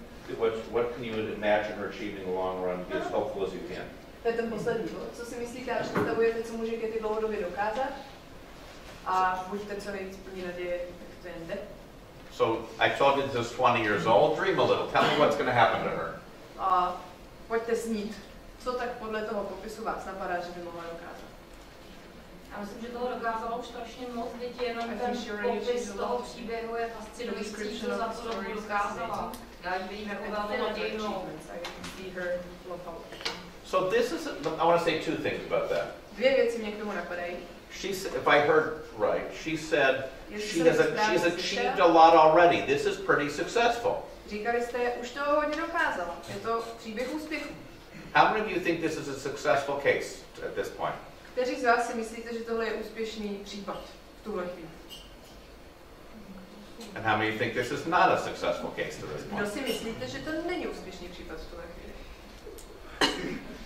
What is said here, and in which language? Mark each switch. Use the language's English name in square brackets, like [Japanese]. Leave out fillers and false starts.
[English] Is, what can you imagine her achieving in the long run, be as hopeful as you can? [Czech] To je ten poslední, co si myslíte a představujete, co může Katie dlouhodobě dokázat? A buďte co nejvíc plní naděje, tak to jde. [English] So, I told you this 20 years old, dream a little, tell me what's going to happen to her. [Czech] Pojďte snít, co tak podle toho popisu vás napadá, že by mohla dokázat. Já myslím, že toho dokázalo už strašně moc lidí, jenom ten popis toho příběhu je fascinující, co za to dobu dokázala. Já ji vidím jako velmi nadějnou. [English] So this is, I want to say two things about that. [Czech] Dvě věci mě k tomu napadají. [English] She said, if I heard right, she said she's achieved a lot already. This is pretty successful. [Czech] Říkali jste, už to hodně dokázala. Je to příběh úspěchu. [English] How many of you think this is a successful case at this point? [Czech] Kteří z vás si myslíte, že tohle je úspěšný případ v tuhle chvíli? [English] And how many think this is not a successful case to this point? [Czech] Kdo si myslíte, že to není úspěšný případ v tuhle chvíli?